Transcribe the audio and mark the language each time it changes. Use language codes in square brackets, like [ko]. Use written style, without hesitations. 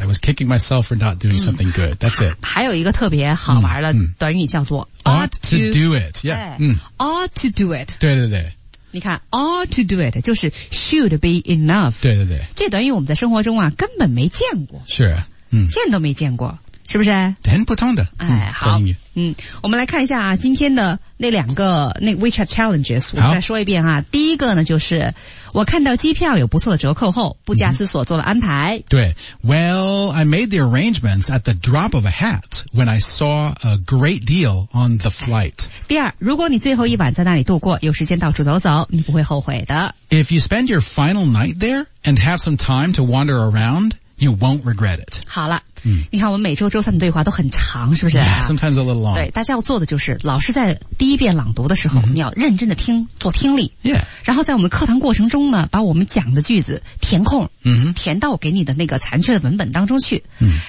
[en] I was kicking myself for not doing something good. That's it. [zh] 还有一个特别好玩的短语叫做 [en] Ought to do it, yeah. Ought to do it. [zh] 对对对。你看 [en] ,ought to do it, [zh] 就是 [en] should be enough. [zh] 对对对。这短语我们在生活中啊根本没见过。是、sure, 见都没见过。是不是很普通的。好。我们来看一下啊今天的那两个那 WeChat Challenges, 我们再说一遍啊。第一个呢就是我看到机票有不错的折扣后不假思索做了安排。对。 [en] Well, I made the arrangements at the drop of a hat when I saw a great deal on the flight. [zh] 第二如果你最后一晚在那里度过有时间到处走走你不会后悔的。 [en] If you spend your final night there and have some time to wander around, you won't regret it. [zh] 好了。嗯，你看我们每周周三的对话都很长，是不是、啊、 [en] yeah, sometimes a little long. [zh] 对，大家要做的就是老师在第一遍朗读的时候、mm-hmm. 你要认真的听，做听力。 [en] Yeah. [zh] 然后在我们课堂过程中呢，把我们讲的句子填空，嗯、mm-hmm. 填到给你的那个残缺的文本当中去。嗯、mm-hmm.